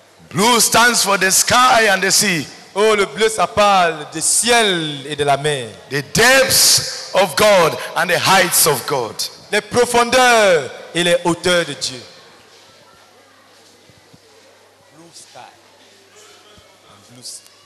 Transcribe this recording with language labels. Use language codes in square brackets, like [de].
[en] Blue stands for the sky and the sea. [fr] Oh, le bleu, ça parle du ciel et de la mer. [en] The depths of God and the heights of God. [fr] Les profondeurs et les hauteurs de Dieu. [en] Blue sky. Blue sky.